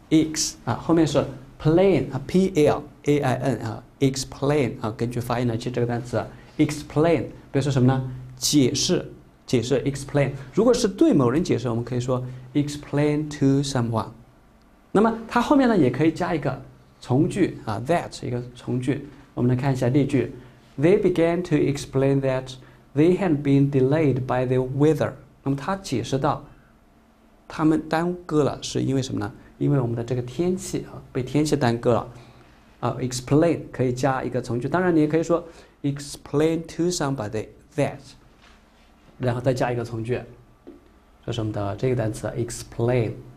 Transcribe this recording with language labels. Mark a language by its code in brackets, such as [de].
[zh] ex 啊，后面是 plain 啊 ，p l a i n 啊 ，explain 啊，根据发音来记这个单词 ，explain 表示什么呢？解释，解释 ，explain。如果是对某人解释，我们可以说 [en] explain to someone。 [zh] 那么它后面呢，也可以加一个从句啊 ，that 一个从句。我们来看一下例句。 [en] They began to explain that they had been delayed by the weather. [zh] 那么他解释到他们耽搁了是因为什么呢？因为我们的这个天气啊，被天气耽搁了。 Explain 可以加一个从句，当然你也可以说 [en] explain to somebody that， [zh] 然后再加一个从句，说什么的这个单词 explain。